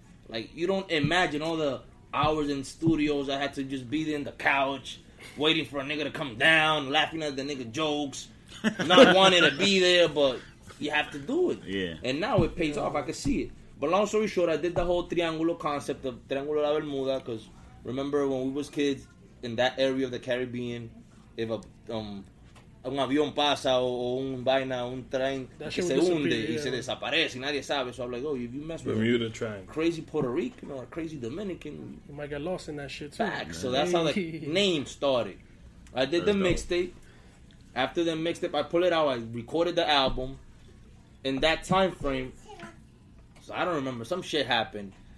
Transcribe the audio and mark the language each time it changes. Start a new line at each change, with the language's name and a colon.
English: Like, you don't imagine all the hours in studios I had to just be there in the couch, waiting for a nigga to come down, laughing at the nigga jokes, not wanting to be there, but you have to do it. Yeah. And now it pays off. I can see it. But long story short, I did the whole Triangulo concept of Triangulo La Bermuda, because remember when we was kids in that area of the Caribbean, if a
Spanish: un avión pasa o un vaina, un tren that que se hunde yeah. y se desaparece y nadie sabe.
English: So I'm like, oh, if you mess with Bermuda train. Crazy Puerto Rican or crazy Dominican, you might get lost in that shit too. Back. So that's how the name started. I did that's the mixtape. After the mixtape, I pulled it out. I recorded the album. In that time frame, so I don't remember, some shit happened.